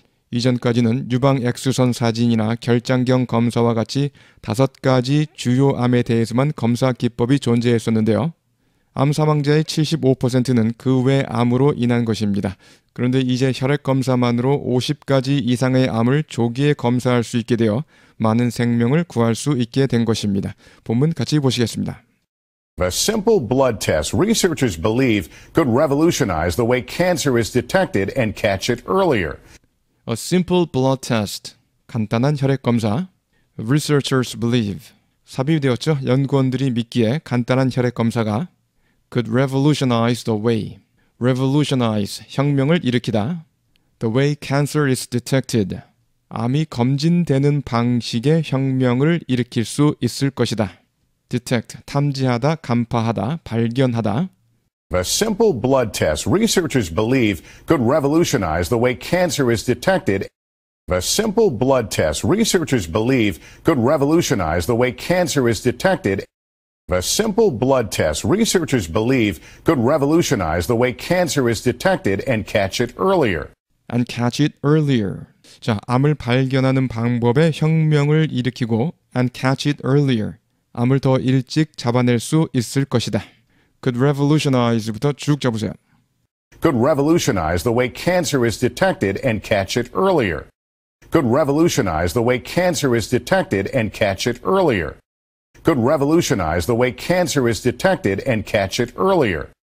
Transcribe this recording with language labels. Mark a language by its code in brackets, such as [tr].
[ko] 이전까지는 유방 엑스선 사진이나 결장경 검사와 같이 5가지 주요 암에 대해서만 검사 기법이 존재했었는데요. 암 사망자의 75%는 그 외 암으로 인한 것입니다. 그런데 이제 혈액검사만으로 50가지 이상의 암을 조기에 검사할 수 있게 되어 많은 생명을 구할 수 있게 된 것입니다. 본문 같이 보시겠습니다. [en] A simple blood test researchers believe could revolutionize the way cancer is detected and catch it earlier. A simple blood test. [ko] 간단한 혈액검사. [en] Researchers believe. [ko] 삽입되었죠? 연구원들이 믿기에 간단한 혈액검사가 [en] could revolutionize the way. Revolutionize, [ko] 혁명을 일으키다. [en] The way cancer is detected. [ko] 암이 검진되는 방식의 혁명을 일으킬 수 있을 것이다. Detect, 탐지하다, 간파하다, 발견하다. [en] A simple blood test researchers believe could revolutionize the way cancer is detected. A simple blood test researchers believe could revolutionize the way cancer is detected. A simple blood test researchers believe could revolutionize the way cancer is detected and catch it earlier. And catch it earlier. [ko] 자, 암을 발견하는 방법에 혁명을 일으키고 [en] and catch it earlier. [ko] 암을 더 일찍 잡아낼 수 있을 것이다. [en] Could revolutionize [ko] 부터 쭉 잡으세요. [en] Could revolutionize the way cancer is detected and catch it earlier. Could revolutionize the way cancer is detected and catch it earlier. Could revolutionize the way cancer is detected and catch it earlier.